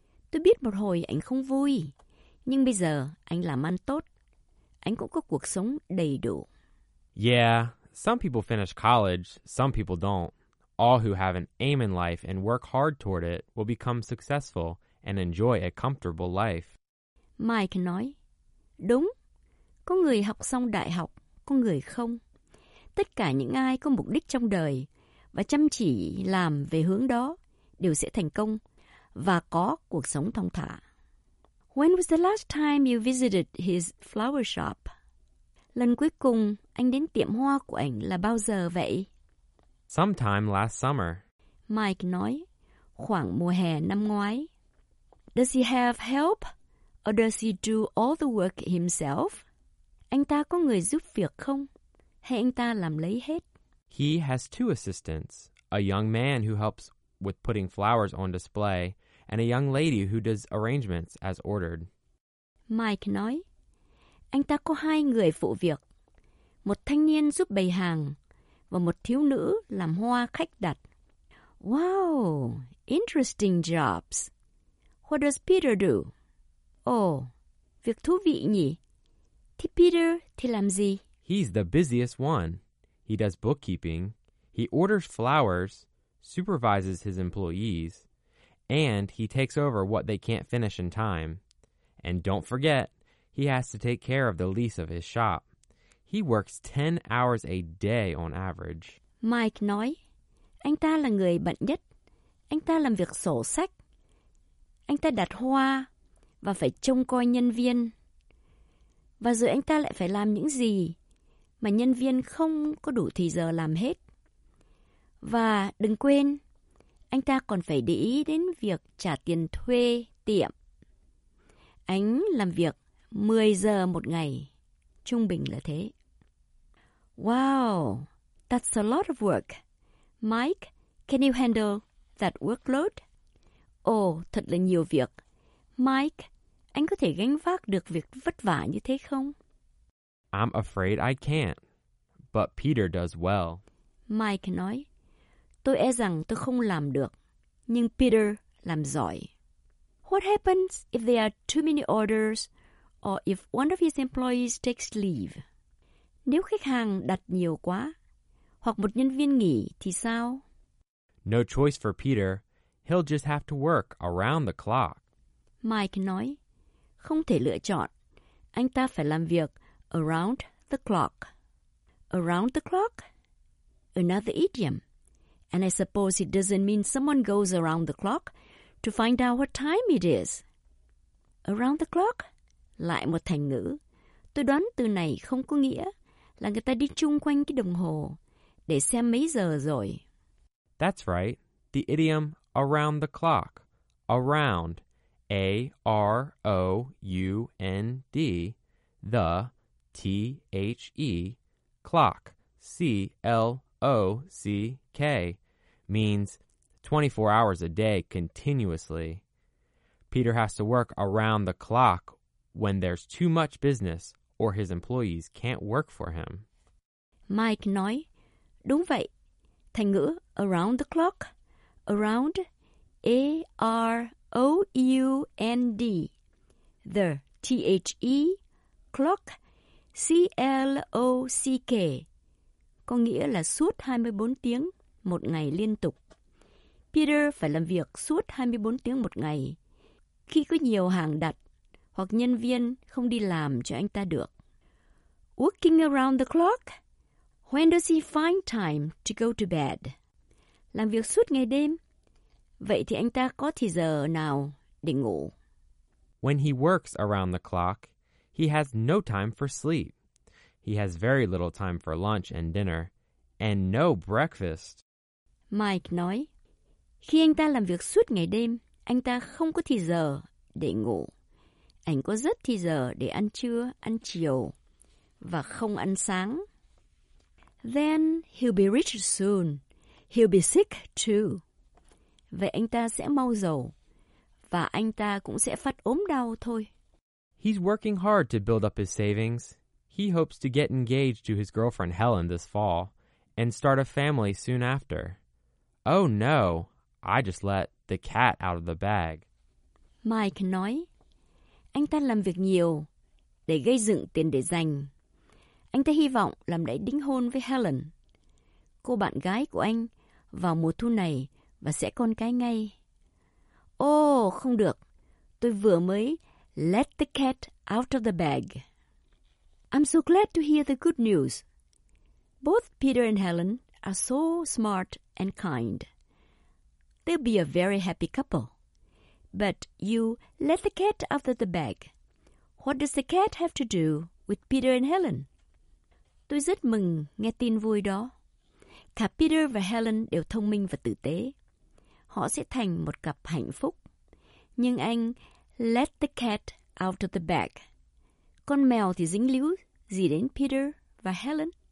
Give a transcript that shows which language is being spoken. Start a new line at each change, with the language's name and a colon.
Vietnamese: Tôi biết một hồi ảnh không vui, nhưng bây giờ anh làm ăn tốt. Anh cũng có cuộc sống đầy đủ.
English: Yeah, some people finish college, some people don't. All who have an aim in life and work hard toward it will become successful and enjoy a comfortable life.
Vietnamese: Mike nói, đúng, có người học xong đại học, có người không. Tất cả những ai có mục đích trong đời và chăm chỉ làm về hướng đó đều sẽ thành công và có cuộc sống thong thả.
English: When was the last time you visited his flower shop?
Vietnamese: Lần cuối cùng anh đến tiệm hoa của ảnh là bao giờ vậy?
English: Sometime last summer.
Vietnamese: Mike nói, khoảng mùa hè năm ngoái.
English: Does he have help? Or does he do all the work himself?
Vietnamese: Anh ta có người giúp việc không? Hay anh ta làm lấy hết?
English: He has two assistants. A young man who helps with putting flowers on display and a young lady who does arrangements as ordered.
Vietnamese: Mike nói, anh ta có hai người phụ việc. Một thanh niên giúp bày hàng và một thiếu nữ làm hoa khách đặt.
English: Wow, interesting jobs. What does Peter do?
Vietnamese: Oh, việc thú vị nhỉ. Thì Peter thì làm gì?
English: He's the busiest one. He does bookkeeping. He orders flowers, supervises his employees, and he takes over what they can't finish in time. And don't forget, he has to take care of the lease of his shop. He works 10 hours a day on average.
Vietnamese: Mike nói, anh ta là người bận nhất. Anh ta làm việc sổ sách. Anh ta đặt hoa và phải trông coi nhân viên. Và rồi anh ta lại phải làm những gì mà nhân viên không có đủ thời giờ làm hết. Và đừng quên, anh ta còn phải để ý đến việc trả tiền thuê tiệm. Anh làm việc 10 giờ một ngày, trung bình là thế.
English: Wow, that's a lot of work. Mike, can you handle that workload?
Vietnamese: Oh, thật là nhiều việc. Mike, anh có thể gánh vác được việc vất vả như thế không?
English: I'm afraid I can't, but Peter does well.
Vietnamese: Mike nói, tôi e rằng tôi không làm được, nhưng Peter làm giỏi.
English: What happens if there are too many orders or if one of his employees takes leave?
Vietnamese: Nếu khách hàng đặt nhiều quá, hoặc một nhân viên nghỉ thì sao?
English: No choice for Peter. He'll just have to work around the clock.
Vietnamese: Mike nói, không thể lựa chọn. Anh ta phải làm việc around the clock.
English: Around the clock? Another idiom. And I suppose it doesn't mean someone goes around the clock to find out what time it is. Around the clock?
Vietnamese: Lại một thành ngữ. Tôi đoán từ này không có nghĩa là người ta đi chung quanh cái đồng hồ để xem mấy giờ rồi.
English: That's right. The idiom around the clock. Around. A-R-O-U-N-D. The. T-H-E. Clock. C-L-O-C-K. Means 24 hours a day continuously. Peter has to work around the clock when there's too much business or his employees can't work for him.
Vietnamese: Mike nói, đúng vậy. Thành ngữ around the clock, around, A-R-O-U-N-D, the T-H-E, clock, C-L-O-C-K, có nghĩa là suốt 24 tiếng một ngày liên tục. Peter phải làm việc suốt 24 tiếng một ngày khi có nhiều hàng đặt hoặc nhân viên không đi làm cho anh ta được.
English: Working around the clock? When does he find time to go to bed?
Vietnamese: Làm việc suốt ngày đêm. Vậy thì anh ta có thì giờ nào để ngủ?
English: When he works around the clock, he has no time for sleep. He has very little time for lunch and dinner, and no breakfast.
Vietnamese: Mike nói, khi anh ta làm việc suốt ngày đêm, anh ta không có thì giờ để ngủ. Anh có rất thì giờ để ăn trưa, ăn chiều, và không ăn sáng.
English: Then he'll be rich soon. He'll be sick too.
Vietnamese: Vậy anh ta sẽ mau giàu, và anh ta cũng sẽ phát ốm đau thôi.
English: He's working hard to build up his savings. He hopes to get engaged to his girlfriend Helen this fall and start a family soon after. Oh no, I just let the cat out of the bag.
Vietnamese: Mike nói, anh ta làm việc nhiều để gây dựng tiền để dành. Anh ta hy vọng làm lễ đính hôn với Helen, cô bạn gái của anh, vào mùa thu này và sẽ con cái ngay. Oh, không được. Tôi vừa mới let the cat out of the bag.
English: I'm so glad to hear the good news. Both Peter and Helen are so smart and kind. They'll be a very happy couple. But you let the cat out of the bag. What does the cat have to do with Peter and Helen?
Vietnamese: Tôi rất mừng nghe tin vui đó. Cả Peter và Helen đều thông minh và tử tế. Họ sẽ thành một cặp hạnh phúc. Nhưng anh let the cat out of the bag. Con mèo thì dính líu gì đến Peter và Helen?